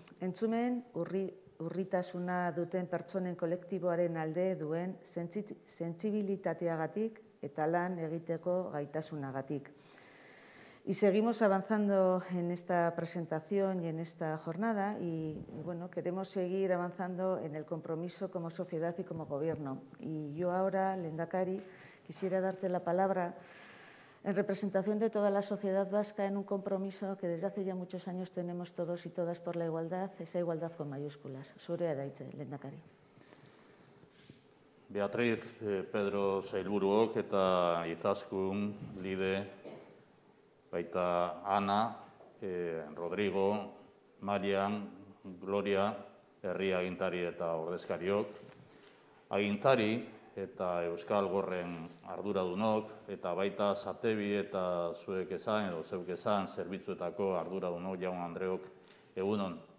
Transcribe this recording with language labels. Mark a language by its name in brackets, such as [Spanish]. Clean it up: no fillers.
[Basque] Entzumen, urritasuna duten pertsonen kolektiboaren alde duen sentsibilitateagatik eta lan egiteko gaitasunagatik. [Spanish] Y seguimos avanzando en esta presentación y en esta jornada y bueno, queremos seguir avanzando en el compromiso como sociedad y como gobierno. Y yo ahora, Lehendakari, quisiera darte la palabra en representación de toda la sociedad vasca en un compromiso que desde hace ya muchos años tenemos todos y todas por la igualdad, esa igualdad con mayúsculas. [Basque] Zurea da hitza, Lehendakari. Beatriz, Pedro Sailburuok eta Izaskun, Lide, baita Ana, Rodrigo, Marian, Gloria, herri agintari eta ordezkariok, agintzari eta Euskal Gorren arduradunok, eta baita Satebi eta zuek esan edo zeuk esan zerbitzuetako arduradunok jaun andreok egunon.